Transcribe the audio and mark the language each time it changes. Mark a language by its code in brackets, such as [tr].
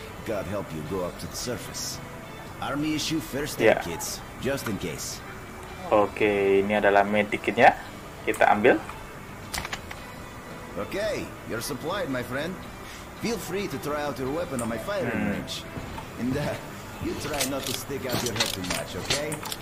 [en] God help you go up to the surface. Army issue first aid kits, just in case. [id] Oke, ini adalah medikitnya. Kita ambil. [en] Okay, you're supplied, my friend. Feel free to try out your weapon on my firing range. And you try not to stick out your head too much, okay?